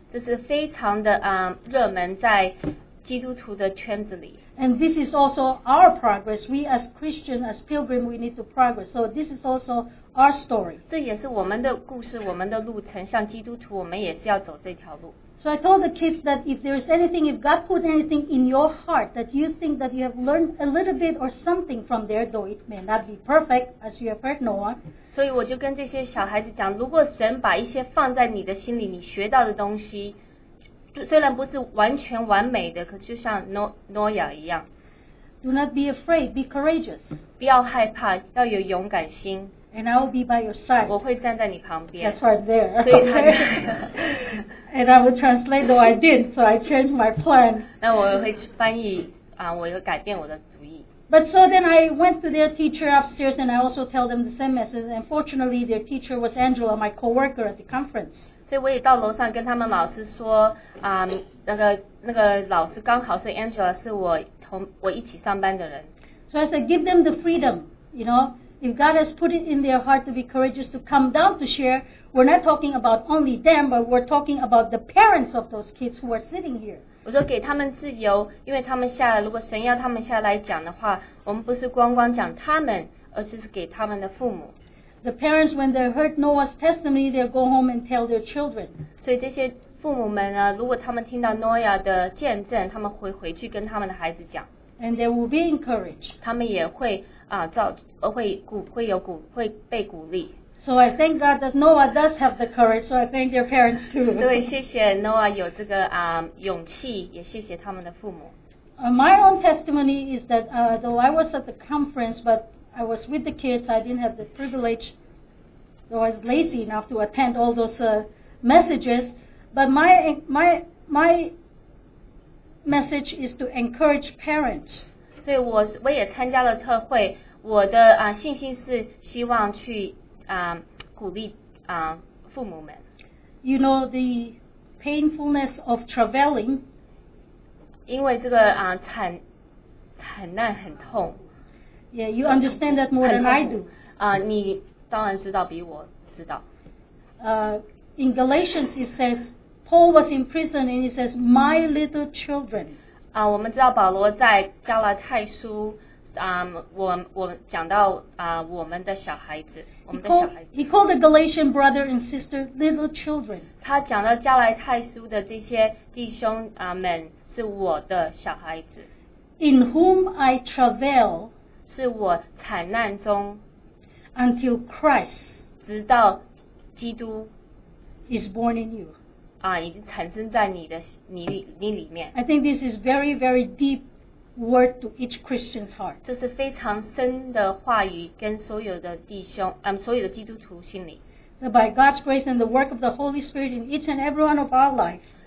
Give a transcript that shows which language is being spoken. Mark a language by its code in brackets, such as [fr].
[zh] 这是非常的热门在基督徒的圈子里。 [en] And this is also our progress. We as Christian, as pilgrim, we need to progress. So this is also our story. [zh] 这也是我们的故事，我们的路程。像基督徒，我们也是要走这条路。 [en] So I told the kids that if there is anything, if God put anything in your heart that you think that you have learned a little bit or something from there, though it may not be perfect, as you have heard, Noah. [zh] 所以我就跟这些小孩子讲，如果神把一些放在你的心里，你学到的东西，虽然不是完全完美的，可就像Noah一样。 [en] Do not be afraid, be courageous. [zh] 不要害怕，要有勇敢心。 [en] And I will be by your side. [zh] 我会站在你旁边。 [en] That's right there. And I will translate, though I didn't, so I changed my plan. [zh] 那我会去翻译啊，我会改变我的主意。 [en] But so then I went to their teacher upstairs, and I also tell them the same message. And fortunately, their teacher was Angela, my coworker at the conference. [zh] 所以我也到楼上跟他们老师说，那个老师刚好是 Angela， 是我一起上班的人。 [en] So I said, give them the freedom, you know. If God has put it in their heart to be courageous to come down to share, we're not talking about only them, but we're talking about the parents of those kids who are sitting here. [zh] 我说给他们自由，因为他们下来，如果神要他们下来讲的话，我们不是光讲他们，而是给他们的父母。 [en] The parents, when they heard Noah's testimony, they'll go home and tell their children. [zh] 所以这些父母们呢，如果他们听到 Noah 的见证，他们会回去跟他们的孩子讲。 [en] And they will be encouraged. [zh] 他们也会会被鼓励。 [en] So I thank God that Noah does have the courage. So I thank their parents too. [zh] 对，谢谢 Noah 有这个勇气，也谢谢他们的父母。 [en] My own testimony is that though I was at the conference, but I was with the kids, I didn't have the privilege, though I was lazy enough to attend all those messages. But my message is to encourage parents. [zh] 所以我也参加了特会，我的信心是希望去鼓励父母们。 [en] You know the painfulness of traveling. [zh] 因为这个惨难很痛。 [en] Yeah, you understand that more than I do. [zh] 你当然知道比我知道。 [en] In Galatians, it says, Paul was in prison, and he says, my little children. [zh] 我们知道保罗在加拉太书, 我讲到, 我们的小孩子, [en] he called the Galatian brother and sister little children. [zh] 他讲到加拉太书的这些弟兄, 们是我的小孩子。 [en] In whom I travail, [zh] 是我惨难中, [en] until Christ, [zh] 直到基督, [en] is born in you. [zh] 已经产生在你里面。 [en] I think this is very, very deep word to each Christian's heart. [zh] 这是非常深的话语跟所有的弟兄, 所有的基督徒心里。 [en] So by God's grace and the work of the Holy Spirit in each and every one of our lives,